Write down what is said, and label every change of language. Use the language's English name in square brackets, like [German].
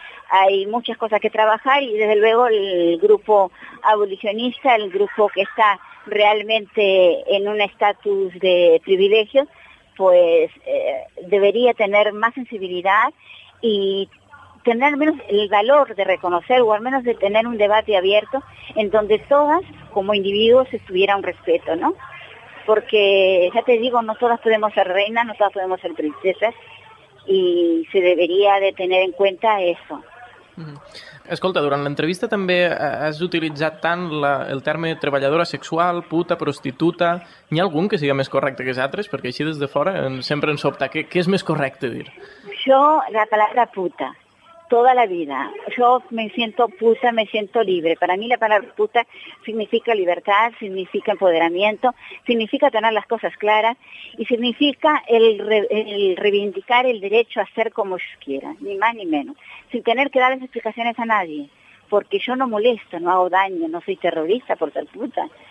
[Spanish] Hay muchas cosas que trabajar y desde luego el grupo abolicionista, el grupo que está realmente en un estatus de privilegio, pues debería tener más sensibilidad y tener al menos el valor de reconocer o al menos de tener un debate abierto en donde todas como individuos estuviera un respeto, ¿no? Porque, ya te digo, no todas podemos ser reinas, no todas podemos ser princesas, y se debería de tener en cuenta eso. [Catalan] Escolta, durant l'entrevista també has utilitzat tant el terme treballadora sexual, puta, prostituta... N'hi ha algun que sigui més correcte que els altres? Perquè així des de fora sempre ens sobta. Què és més correcte dir? [Spanish] Jo, la palabra puta, toda la vida. Yo me siento puta, me siento libre. Para mí la palabra puta significa libertad, significa empoderamiento, significa tener las cosas claras y significa el reivindicar el derecho a ser como yo quiera, ni más ni menos, sin tener que darles explicaciones a nadie, porque yo no molesto, no hago daño, no soy terrorista por ser puta.